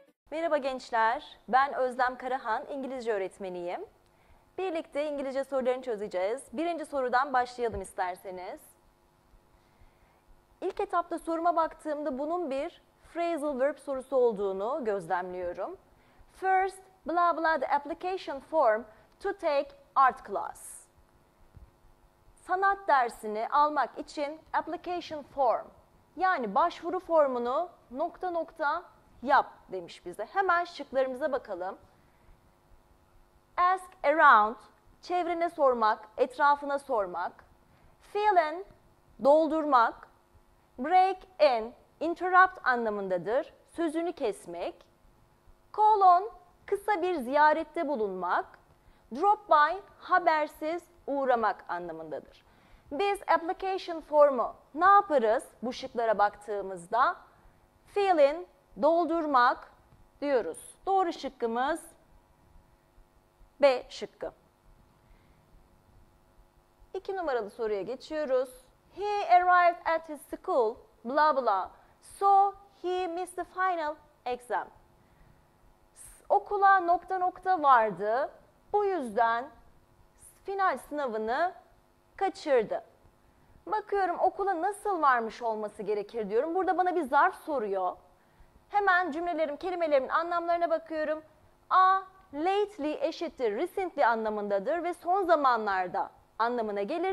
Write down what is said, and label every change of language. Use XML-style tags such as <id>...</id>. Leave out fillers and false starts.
<tr>Merhaba gençler, ben Özlem Karahan, İngilizce öğretmeniyim. Birlikte İngilizce sorularını çözeceğiz. Birinci sorudan başlayalım isterseniz. İlk etapta soruma baktığımda bunun bir phrasal verb sorusu olduğunu gözlemliyorum.</tr> <en>First, blah blah the application form to take art class.</en> <tr>Sanat dersini almak için application form, yani başvuru formunu nokta nokta yap demiş bize. Hemen şıklarımıza bakalım.</tr> <en>Ask around,</en> <tr>çevrene sormak, etrafına sormak.</tr> <en>Fill in,</en> <tr>doldurmak.</tr> <en>Break in,</en> <tr>interrupt anlamındadır, sözünü kesmek.</tr> <en>Call on,</en> <tr>kısa bir ziyarette bulunmak.</tr> <en>Drop by,</en> <tr>habersiz uğramak anlamındadır. Biz application formu ne yaparız bu şıklara baktığımızda?</tr> <en>Fill in,</en> <tr>doldurmak diyoruz. Doğru şıkkımız B şıkkı. İki numaralı soruya geçiyoruz.</tr> <en>He arrived at his school, blah blah, so he missed the final exam.</en> <tr>Okula nokta nokta vardı, bu yüzden final sınavını kaçırdı. Bakıyorum okula nasıl varmış olması gerekir diyorum. Burada bana bir zarf soruyor. Hemen cümlelerim, kelimelerimin anlamlarına bakıyorum. A, lately eşittir, recently anlamındadır ve son zamanlarda anlamına gelir.</tr>